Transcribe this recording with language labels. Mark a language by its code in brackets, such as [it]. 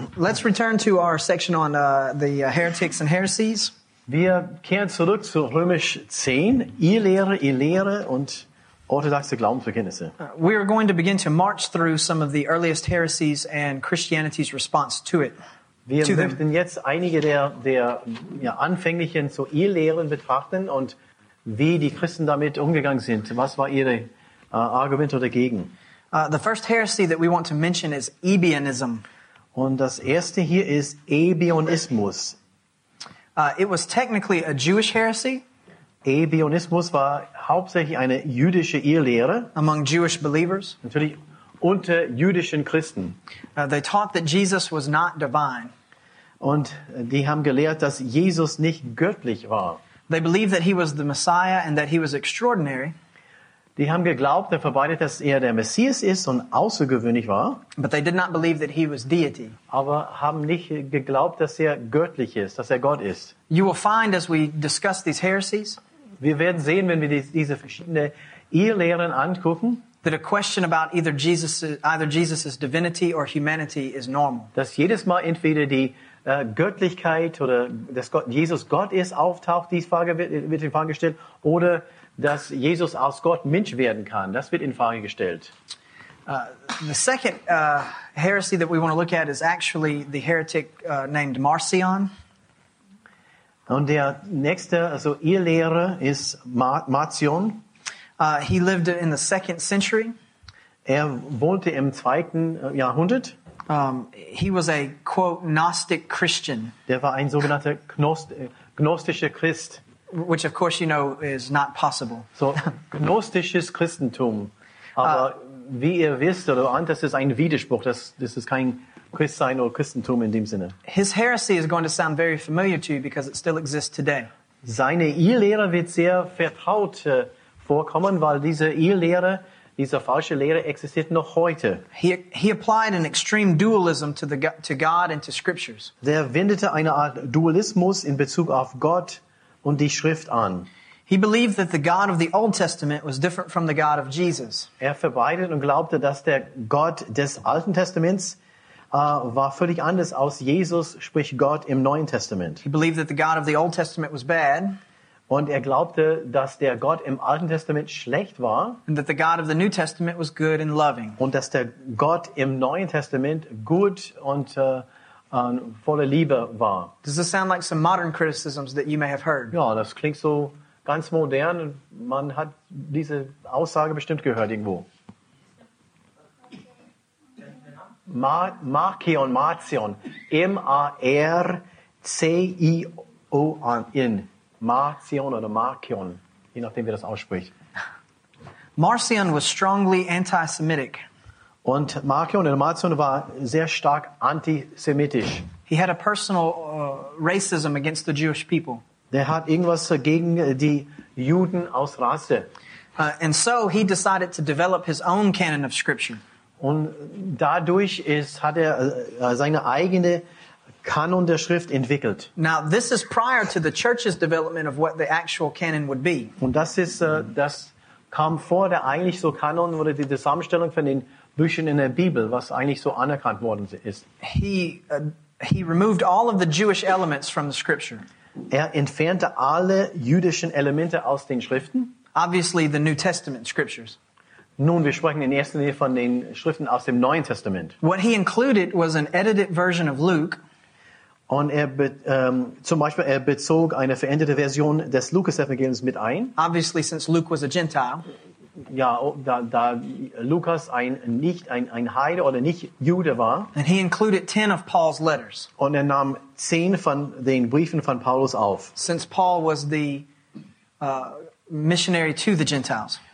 [en] Let's return to our section on the heretics and heresies. [de] Wir kehren zurück zu Römisch 10, Irrlehre und orthodoxe Glaubensbekenntnisse. [en] We are going to begin to march through some of the earliest heresies and Christianity's response to it. [de] Wir möchten jetzt einige der anfänglichen so Irrlehren betrachten und wie die Christen damit umgegangen sind. Was war ihre Argumente dagegen? [en] The first heresy that we want to mention is Ebionism. [de] Und das erste hier ist Ebionismus. [en] It was technically a Jewish heresy. [de] Ebionismus war hauptsächlich eine jüdische Irrlehre. [en] Among Jewish believers. [de] Natürlich unter jüdischen Christen. [en] They taught that Jesus was not divine. [de] Und die haben gelehrt, dass Jesus nicht göttlich war. [en] They believed that he was the Messiah and that he was extraordinary. [de] Die haben geglaubt und verbreitet, dass er der Messias ist und außergewöhnlich war. [en] But they did not believe that he was deity. [de] Aber haben nicht geglaubt, dass er göttlich ist, dass er Gott ist. [en] You will find, as we discuss these heresies, [de] wir werden sehen, wenn wir diese verschiedenen Irrlehren angucken, [en] that a question about either Jesus's divinity or humanity is normal. [de] Dass jedes Mal entweder die Göttlichkeit oder dass Jesus Gott ist auftaucht, diese Frage wird in Frage gestellt, oder dass Jesus aus Gott Mensch werden kann, das wird in Frage gestellt. [en] The second heresy that we want to look at is actually the heretic named Marcion. [de] Und der nächste, also ihr Lehrer, ist Marcion. [en] He lived in the second century. [de] Er wohnte im zweiten Jahrhundert. [en] He was a quote Gnostic Christian. [de] Der war ein sogenannter gnostischer Christ. [en] Which, of course, you know, is not possible. [de] So, gnostisches Christentum. Aber wie ihr wisst oder ahnt, das ist ein Widerspruch. Das ist kein Christsein oder Christentum in dem Sinne. [en] His heresy is going to sound very familiar to you because it still exists today. [de] Seine Irrlehre wird sehr vertraut vorkommen, weil diese Irrlehre, diese falsche Lehre, existiert noch heute. [en] He applied an extreme dualism to God and to scriptures. [de] Der wendete eine Art Dualismus in Bezug auf Gott und die Schrift an. [en] He believed that the God of the Old Testament was different from the God of Jesus. [de] Er verbreitete und glaubte, dass der Gott des Alten Testaments war völlig anders als Jesus, sprich Gott im Neuen Testament. [en] He believed that the God of the Old Testament was bad. [de] Und er glaubte, dass der Gott im Alten Testament schlecht war. [en] And that the God of the New Testament was good and loving. [de] Und dass der Gott im Neuen Testament gut und voller Liebe war. [en] Does this sound like some modern criticisms that you may have heard? [de] Ja, das klingt so ganz modern. Man hat diese Aussage bestimmt gehört irgendwo. [en] Marcion. Marcion. [de] Marcion oder Marcion. Je nachdem, wie das ausspricht. [en] Marcion was strongly anti-Semitic. [de] Und Marcion war sehr stark antisemitisch. [en] He had a personal racism against the Jewish people. [de] Der hat irgendwas gegen die Juden aus Rasse. [en] And so he decided to develop his own canon of scripture. [de] Und dadurch hat seine eigene Kanon der Schrift entwickelt. [en] Now this is prior to the church's development of what the actual canon would be. [de] Und das kam vor der eigentlich so Kanon oder die Zusammenstellung von den Büchern in der Bibel, was eigentlich so anerkannt worden ist. [en] He removed all of the Jewish elements from the scripture. [de] Er entfernte alle jüdischen Elemente aus den Schriften. [en] Obviously the New Testament scriptures. [de] Nun, wir sprechen in erster Linie von den Schriften aus dem Neuen Testament. [en] What he included was an edited version of Luke. [de] Und er bezog eine veränderte Version des Lukas-Evangeliums mit ein. [en] Obviously, since Luke was a Gentile. [de] Ja, da Lukas ein Heide oder nicht Jude war. [en] And he included 10 of Paul's letters. [de] Und er nahm 10 von den Briefen von Paulus auf. [en] Since Paul was the missionary to the Gentiles.